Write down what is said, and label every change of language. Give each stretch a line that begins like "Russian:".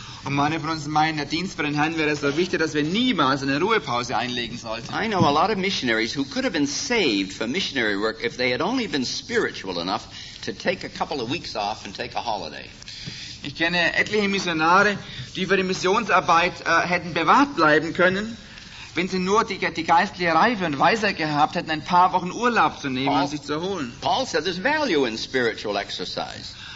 German: Und manche von uns meinen, der Dienst für den Herrn wäre so wichtig, dass wir niemals eine Ruhepause einlegen sollten.
English: I know a lot of missionaries who could have been saved for missionary work if they had only been spiritual enough to take a couple of weeks off and take a holiday.
German: Ich kenne etliche Missionare, die für die Missionsarbeit hätten bewahrt bleiben können, wenn sie nur die geistliche Reife und Weisheit gehabt hätten, ein paar Wochen Urlaub zu nehmen und sich zu erholen.
English: Paul said there's value in spiritual exercise.